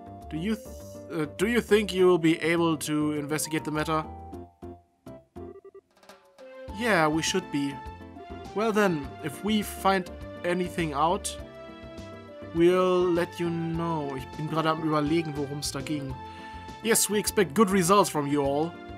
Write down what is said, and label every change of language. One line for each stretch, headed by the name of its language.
English: Do you think you will be able to investigate the matter? Yeah, we should be. Well then, if we find anything out, we'll let you know.
German: Ich bin gerade am überlegen, worum es da ging.
English: Yes, we expect good results from you all.